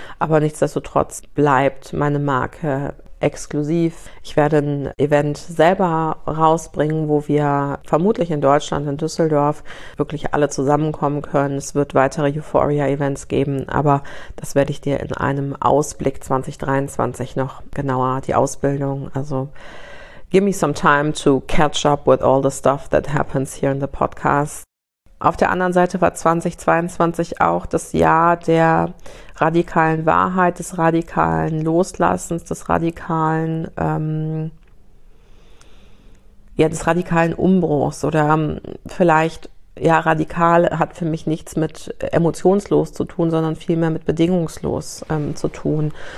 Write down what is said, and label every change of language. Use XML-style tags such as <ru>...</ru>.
<de>Aber nichtsdestotrotz bleibt meine Marke exklusiv. Ich werde ein Event selber rausbringen, wo wir vermutlich in Deutschland, in Düsseldorf, wirklich alle zusammenkommen können. Es wird weitere Euphoria-Events geben, aber das werde ich dir in einem Ausblick 2023 noch genauer, die Ausbildung.</de> <en>Also, give me some time to catch up with all the stuff that happens here in the podcast.</en> <de>Auf der anderen Seite war 2022 auch das Jahr der radikalen Wahrheit, des radikalen Loslassens, des radikalen, ja, des radikalen Umbruchs oder vielleicht, ja, radikal hat für mich nichts mit emotionslos zu tun, sondern vielmehr mit bedingungslos zu tun.</de>